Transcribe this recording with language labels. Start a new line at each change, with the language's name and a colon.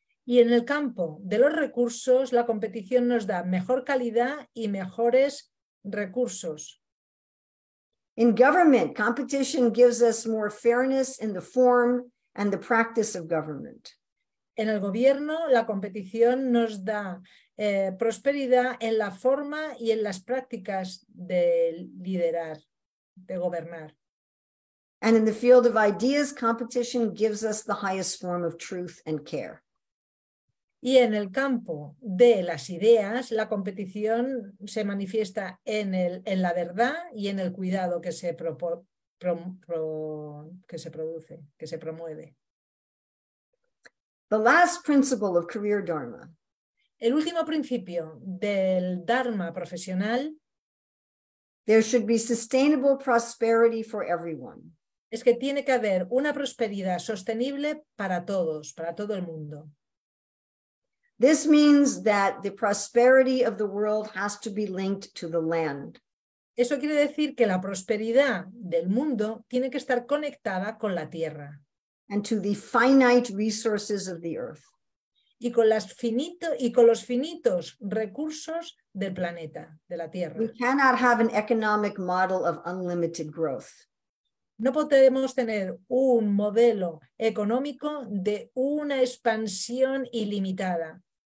Spanish: Y en el campo de los recursos, la competición nos da mejor calidad y mejores recursos.
English: In government, competition gives us more fairness in the form and the practice of government.
Spanish: En el gobierno, la competición nos da prosperidad en la forma y en las prácticas de liderar, de gobernar.
English: And in the field of ideas, competition gives us the highest form of truth and care.
Spanish: Y en el campo de las ideas, la competición se manifiesta en la verdad y en el cuidado que se promueve.
English: The last principle of career dharma.
Spanish: El último principio del dharma profesional.
English: There should be sustainable prosperity for everyone.
Spanish: Es que tiene que haber una prosperidad sostenible para todos, para todo el mundo.
English: This means that the prosperity of the world has to be linked to the land.
Spanish: Eso quiere decir que la prosperidad del mundo tiene que estar conectada con la tierra.
English: And to the finite resources of the earth.
Spanish: Y con las finito y con los finitos recursos del planeta, de la Tierra.
English: We cannot have an economic model of unlimited growth.
Spanish: No podemos tener un modelo económico de una expansión ilimitada.